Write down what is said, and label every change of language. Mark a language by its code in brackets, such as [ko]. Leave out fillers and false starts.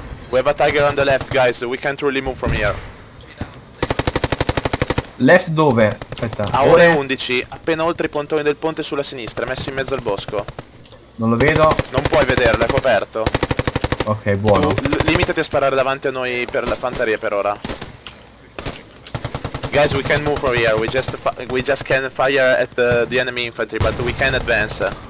[en] We have a Tiger on the left, guys, we can't really move from here. [it] Left dove? Aspetta. A ore 11, appena oltre i pontoni del ponte sulla sinistra, messo in mezzo al bosco. Non lo vedo. Non puoi vederlo, è coperto. Ok, buono. Limitati a sparare davanti a noi per la fanteria per ora. [en] Guys, we can't move from here, we just can fire at the enemy infantry, but we can advance.